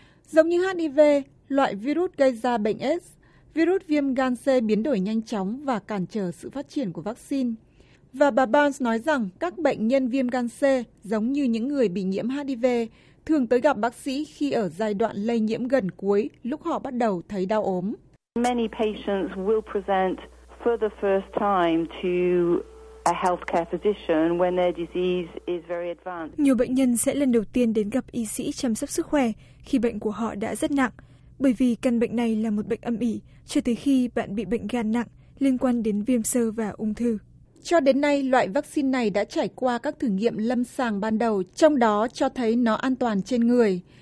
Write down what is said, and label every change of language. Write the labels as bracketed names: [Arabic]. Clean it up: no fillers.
[Vietnamese] Giống như HIV, loại virus gây ra bệnh AIDS, virus viêm gan C biến đổi nhanh chóng và cản trở sự phát triển của vaccine. Và bà Barnes nói rằng các bệnh nhân viêm gan C, giống như những người bị nhiễm HIV, thường tới gặp bác sĩ khi ở giai đoạn lây nhiễm gần cuối, lúc họ bắt đầu thấy đau ốm. [English] Many patients will present for the first time to a healthcare physician when their disease is very advanced. [Vietnamese] Nhiều bệnh nhân sẽ lần đầu tiên đến gặp y sĩ chăm sóc sức khỏe khi bệnh của họ đã rất nặng, bởi vì căn bệnh này là một bệnh âm ỉ cho tới khi bạn bị bệnh gan nặng liên quan đến viêm xơ và ung thư. Cho đến nay, loại vaccine này đã trải qua các thử nghiệm lâm sàng ban đầu, trong đó cho thấy nó an toàn trên người.